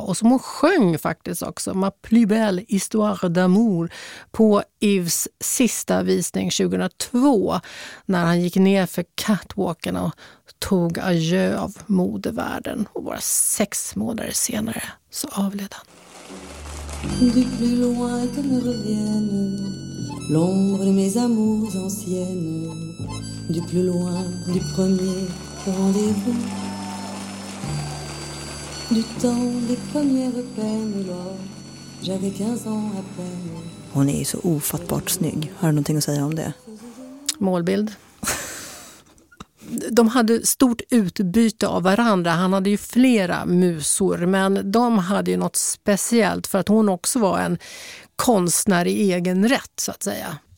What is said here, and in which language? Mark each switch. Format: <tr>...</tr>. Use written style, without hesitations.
<sv>Och som hon sjöng faktiskt också, Ma plus belle histoire d'amour, på Yves sista visning 2002, när han gick ner för catwalken och tog adjö av modevärlden. Och bara 6 månader senare så avled han.</sv> <fr>Du plus loin que me reviennent l'ombre de mes amours anciennes, du plus loin du premier rendez-vous, du temps des premières peines, alors j'avais 15 ans à peine.</fr> <sv>Hon är så ofattbart snygg. Har du någonting att säga om det? Målbild. De hade stort utbyte av varandra. Han hade ju flera musor, men de hade ju något speciellt, för att hon också var en konstnär i egen rätt, så att säga.</sv>